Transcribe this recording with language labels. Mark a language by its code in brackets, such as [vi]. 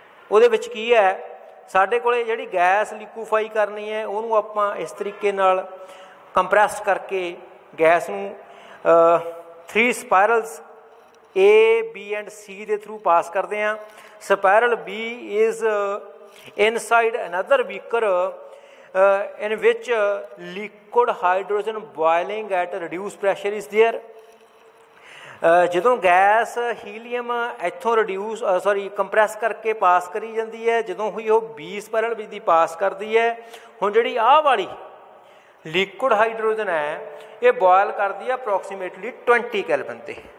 [pa] ਉਹਦੇ ਵਿੱਚ ਕੀ ਹੈ, ਸਾਡੇ ਕੋਲ ਜਿਹੜੀ ਗੈਸ ਲਿਕੁਫਾਈ ਕਰਨੀ ਹੈ, ਉਹਨੂੰ ਆਪਾਂ ਇਸ ਤਰੀਕੇ ਨਾਲ ਕੰਪਰੈਸ ਕਰਕੇ ਗੈਸ ਨੂੰ ਥਰੀ ਸਪਾਇਰਲਸ ਏ ਬੀ ਐਂਡ ਸੀ ਦੇ ਥਰੂ ਪਾਸ ਕਰਦੇ ਹਾਂ. [en] Spiral B is inside another beaker in which liquid hydrogen boiling at a reduced pressure is there. [pa] ਜਦੋਂ ਗੈਸ ਹੀਲੀਅਮ ਇੱਥੋਂ ਰਿਡਿਊਸ ਸੋਰੀ ਕੰਪਰੈਸ ਕਰਕੇ ਪਾਸ ਕਰੀ ਜਾਂਦੀ ਹੈ, ਜਦੋਂ ਹੋਈ ਉਹ 20 ਸਪਾਇਰਲ ਵਿਧੀ ਪਾਸ ਕਰਦੀ ਹੈ, ਹੁਣ ਜਿਹੜੀ ਆਹ ਵਾਲੀ ਲਿਕੁਡ ਹਾਈਡਰੋਜਨ ਹੈ, ਇਹ ਬੋਇਲ ਕਰਦੀ ਹੈ ਅਪਰੋਕਸੀਮੇਟਲੀ 20 ਕੈਲਵਿਨ 'ਤੇ.